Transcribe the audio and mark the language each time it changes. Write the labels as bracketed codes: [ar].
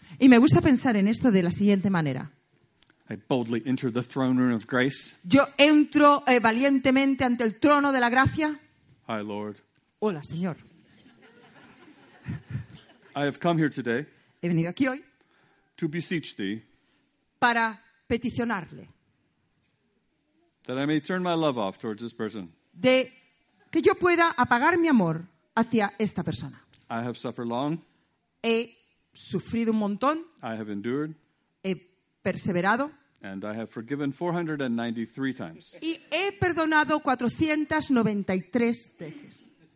[es] Y me gusta pensar en esto de la siguiente manera. [en] I boldly enter the throne room of grace. [es] Yo entro valientemente ante el trono de la gracia. [en] Hi, Lord. [es] Hola, Señor. [en] I have come here today. [es] He venido aquí hoy. [en] To beseech thee. [es] Para peticionarle. [en] That I may turn my love off towards this person. [es] De que yo pueda apagar mi amor hacia esta persona. [en] I have suffered long. [es] He sufrido un montón. [en] I have endured, [es] he perseverado. [en] And I have forgiven 493 times. [es] Y he perdonado 493 veces.